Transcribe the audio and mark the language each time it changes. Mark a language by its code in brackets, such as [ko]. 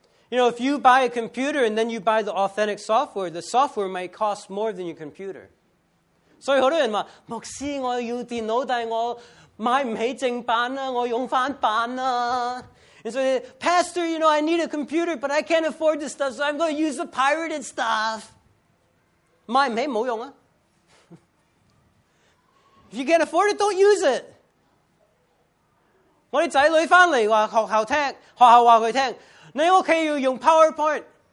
[en] You know, if you buy a computer and then you buy the authentic software, the software might cost more than your computer. [zh] 所以很多人說,牧師,我要電腦,但我買不起正版,我用翻版啊。 [en] And so, Pastor, you know, I need a computer, but I can't afford this stuff, so I'm going to use the pirated stuff. [zh] 買不起,沒用啊。 [en] If you can't afford it, don't use it. [zh] 我的子女回來,學校聽,學校告訴他聽, 你可以用 PowerPoint.